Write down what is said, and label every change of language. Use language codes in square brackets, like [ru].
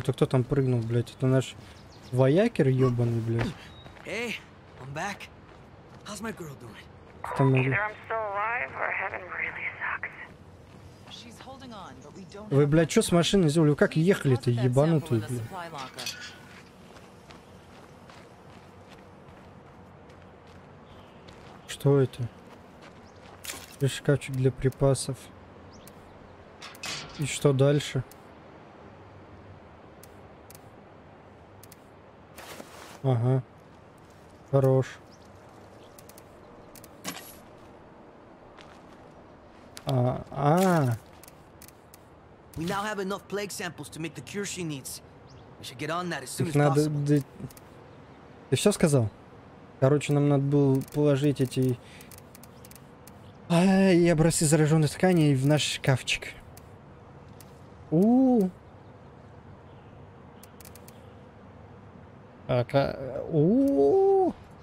[ru] Это кто там прыгнул, блядь? Это наш вояки, ёбаный, блядь. Эй, [en] I'm back. How's my girl doing? Either I'm still alive, or heaven really sucks. She's holding on, but we don't. [ru] Вы, блядь, что с машины сделали? Как ехали-то, ебанутые, блядь? Что это? Шкафчик для припасов. И что дальше? Ага. Хорош. [en] We now have enough plague samples to make the cure she needs. We should get on that as soon as [ru] надо, [en] possible. [ru] Да... Ты все сказал? Короче, нам надо было положить эти... и образцы зараженных тканей в наш шкафчик. У-у-у.